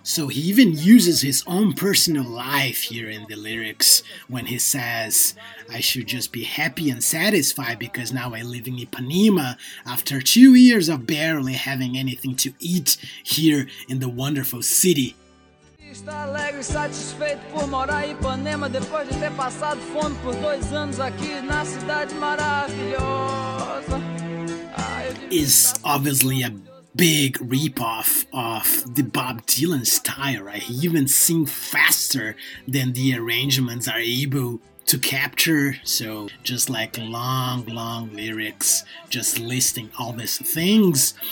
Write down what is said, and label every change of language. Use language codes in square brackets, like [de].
[en] So he even uses his own personal life here in the lyrics when he says, "I should just be happy and satisfied because now I live in Ipanema after 2 years of barely having anything to eat here in the wonderful city." [pt] Está alegre e satisfeito por morar em Ipanema depois de ter passado fome por 2 anos aqui na cidade maravilhosa. [en] Is obviously a big ripoff of the Bob Dylan style, right? He even sings faster than the arrangements are able to capture. So just like long lyrics just listing all these things.